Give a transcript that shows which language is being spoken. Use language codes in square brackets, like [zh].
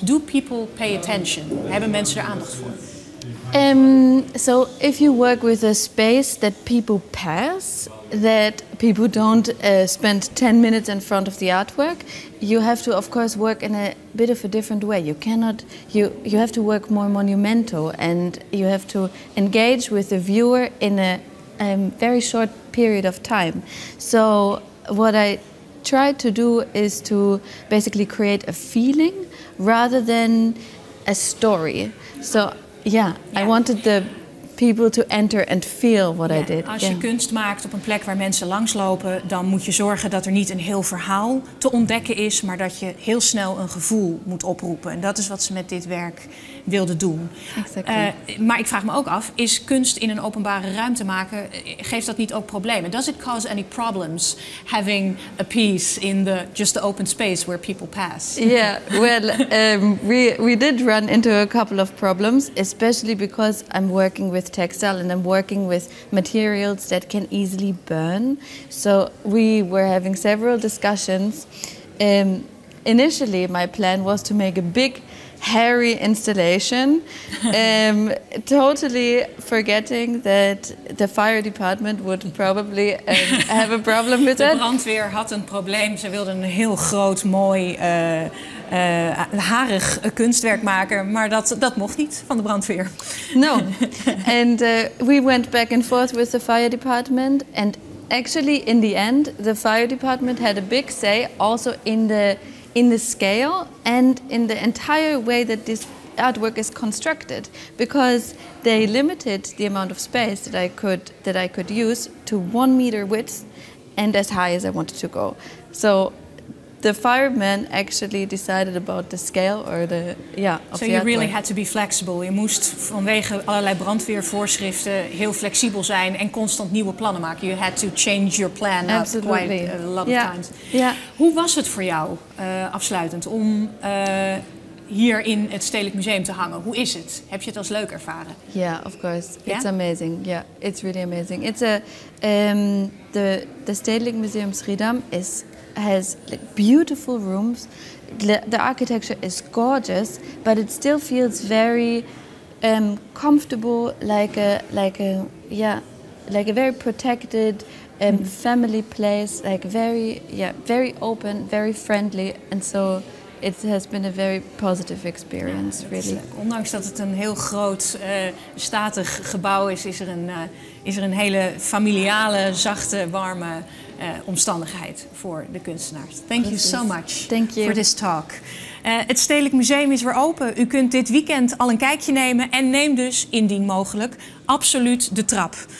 [en] Do people pay attention? [nl] Hebben mensen er aandacht voor? [en] So if you work with a space that people pass, that people don't spend 10 minutes in front of the artwork, you have to, of course, work in a bit of a different way. You cannot, you have to work more monumental, and you have to engage with the viewer in a very short period of time. So what I try to do is to basically create a feeling rather than a story. So I wanted the people to enter and feel what I did. [nl] Als je kunst maakt op een plek waar mensen langslopen, dan moet je zorgen dat er niet een heel verhaal te ontdekken is, maar dat je heel snel een gevoel moet oproepen. En dat is wat ze met dit werk wilde doen. [en] Exactly. [nl] Maar ik vraag me ook af, is kunst in een openbare ruimte maken, geeft dat niet ook problemen? [en] Does it cause any problems having a piece in the just the open space where people pass? Yeah, well, we did run into a couple of problems, especially because I'm working with textile and I'm working with materials that can easily burn. So we were having several discussions. Initially, my plan was to make a big hairy installation, totally forgetting that the fire department would probably have a problem with [nl] it. De brandweer had een probleem. Ze wilden een heel groot, mooi, harig kunstwerk maken, maar dat mocht niet van de brandweer. [en] No. And we went back and forth with the fire department, and actually in the end, the fire department had a big say also in the scale and in the entire way that this artwork is constructed, because they limited the amount of space that I could use to 1 meter width and as high as I wanted to go. So the firemen actually decided about the scale or the of so artwork. Really had to be flexible. [nl] Je moest vanwege allerlei brandweervoorschriften heel flexibel zijn en constant nieuwe plannen maken. [en] You had to change your plan quite a lot of times. Yeah. [nl] Hoe was het voor jou afsluitend om hier in het Stedelijk Museum te hangen? Hoe is het? Heb je het als leuk ervaren? [en] Yeah, of course. Yeah? It's amazing. Yeah, it's really amazing. It's a the Stedelijk Museum Schiedam has like beautiful rooms. The architecture is gorgeous, but it still feels very comfortable, like a very protected family place, like very open, very friendly, and so it has been a very positive experience, really. [nl] Ondanks dat het een heel groot, statig gebouw is, is er een hele familiale, zachte, warme omstandigheid voor de kunstenaars. [en] Thank you so much for this talk. [nl] Het Stedelijk Museum is weer open. U kunt dit weekend al een kijkje nemen en neem dus, indien mogelijk, absoluut de trap.